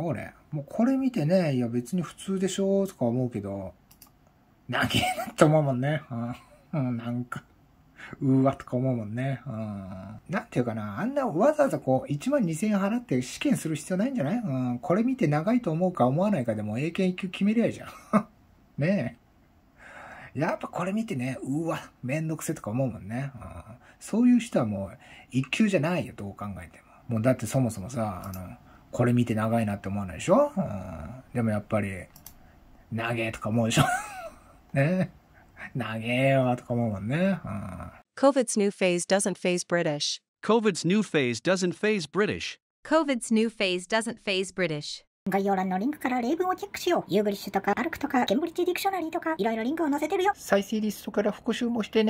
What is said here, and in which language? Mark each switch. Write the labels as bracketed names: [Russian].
[Japanese] 俺もうこれ見てね、いや別に普通でしょとか思うけど、長えなと思うもんね、うん、なんかうわとか思うもんね、うん、なんていうかな、あんなわざわざこう1万2000円払って試験する必要ないんじゃない、うん、これ見て長いと思うか思わないかでも英検1級決めりゃいいじゃんねえ、やっぱこれ見てね、うわめんどくせとか思うもんね、うん、そういう人はもう一級じゃないよ、どう考えても。もうだってそもそもさ、あのこれ見て長いなって思わないでしょ、うん、でもやっぱり長えとか思うでしょね、長えよとか思うもんね、うん、 [English] COVID's new phase doesn't faze British. COVID's new phase doesn't faze British. COVID's new phase doesn't faze British. [Japanese] 概要欄のリンクから例文をチェックしよう。ユーグリッシュとかアルクとかケンブリッジディクショナリーとかいろいろリンクを載せてるよ。再生リストから復習もしてね。